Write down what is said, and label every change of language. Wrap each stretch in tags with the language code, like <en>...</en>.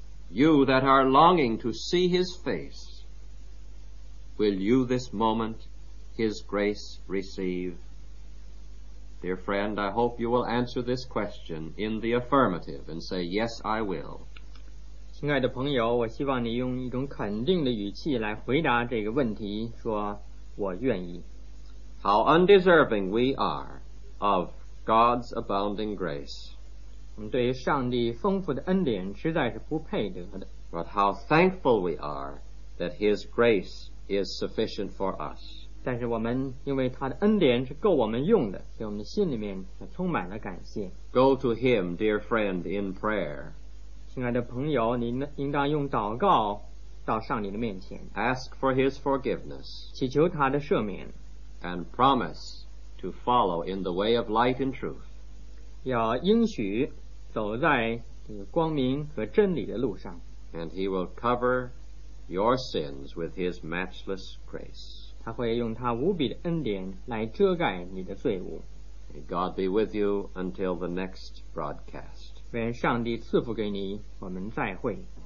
<en>You that are longing to see his face, will you this moment his grace receive? Dear friend, I hope you will answer this question in the affirmative and say, "Yes, I will."</en> <zh>亲爱的朋友，我希望你用一种肯定的语气来回答这个问题，说我愿意。</zh> <en>How undeserving we are of God's abounding grace.</en> <zh>我们对于上帝丰富的恩典实在是不配得的。</zh> <en>But how thankful we are that His grace is sufficient for us.</en> <zh>但是我们因为他的恩典是够我们用的，所以我们的心里面充满了感谢。</zh> <en>Go to him, dear friend, in prayer.</en> <zh>亲爱的朋友，您应当用祷告到上帝的面前。</zh> <en>Ask for his forgiveness.</en> <zh>祈求他的赦免。</zh> <en>And promise to follow in the way of light and truth.</en> <zh>要应许走在这个光明和真理的路上。</zh> <en>And he will cover your sins with his matchless grace.</en> <zh>他会用他无比的恩典来遮盖你的罪恶。</zh> <en>May God be with you until the next broadcast.</en> <zh>愿上帝赐福给你，我们再会。</zh>